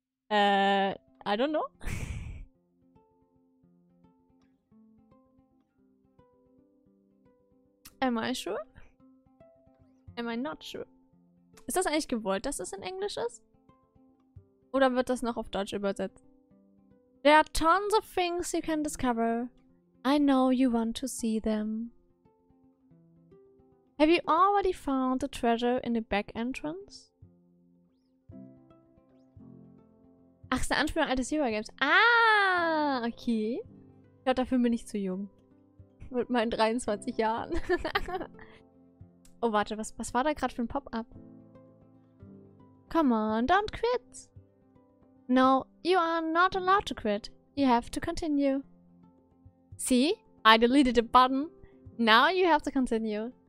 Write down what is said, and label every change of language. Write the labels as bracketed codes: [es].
[en] I don't know. Am I sure? Am I not sure? [de] Ist das eigentlich gewollt, dass das in Englisch ist? Oder wird das noch auf Deutsch übersetzt? [en] There are tons of things you can discover. I know you want to see them. Have you already found the treasure in the back entrance? [de] Ach, ist eine Anspielung an alte Zero-Games. Ah, okay. Ich glaube, dafür bin ich zu jung. Mit meinen 23 Jahren. Oh, warte, was war da gerade für ein Pop-up? [en] Come on, don't quit. No, you are not allowed to quit. You have to continue. See, I deleted the button. Now you have to continue.